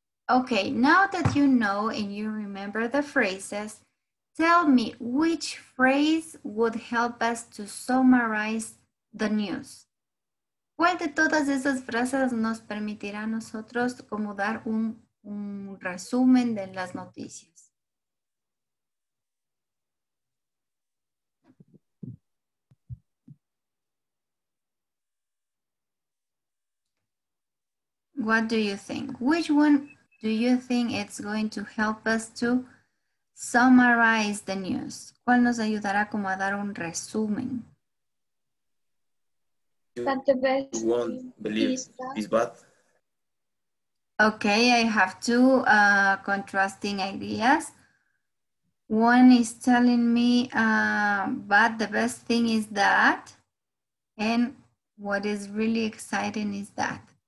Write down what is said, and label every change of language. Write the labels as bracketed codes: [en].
[en] Okay, now that you know and you remember the phrases, tell me which phrase would help us to summarize the news. [es] ¿Cuál de todas esas frases nos permitirá a nosotros como dar un resumen de las noticias? [en] What do you think? Which one do you think it's going to help us to summarize the news? [es] ¿Cuál nos ayudará como a dar un resumen? [en] That the best you won't believe is bad. Okay, I have two contrasting ideas. One is telling me, but the best thing is that, and what is really exciting is that.